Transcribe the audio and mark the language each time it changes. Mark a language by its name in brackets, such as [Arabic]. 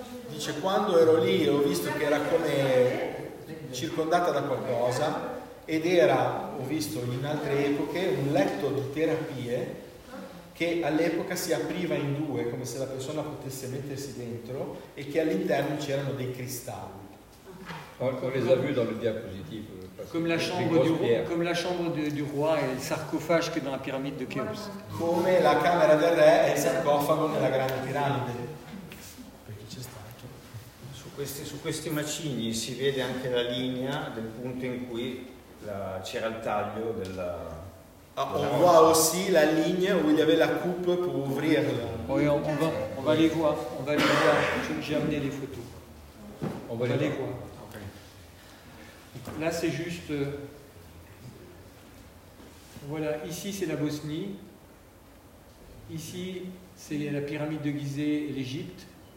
[Italian] Dice, quando ero lì ho visto che era come circondata da qualcosa ed era, ho visto in altre epoche, un letto di terapie che all'epoca si apriva in due, come se la persona potesse mettersi dentro e che all'interno c'erano dei cristalli. [French] On les a vus dans le diapositivo. [Italian] Come la [French] chambre du roi, [Italian] come la chambre du roi e il sarcofago che è nella piramide di Cheops. Come la camera del re e il sarcofago nella grande piramide. Su questi macigni si vede anche la linea del punto in cui c'era il taglio della... [French] On voit aussi la ligne où il y avait la coupe pour ouvrirla. Oui, on va les voir, on va les voir. J'ai amené les photos. On va les voir. Okay. Là, c'est juste... Voilà, ici, c'est la Bosnie. Ici, c'est la pyramide de Gizeh et l'Égypte.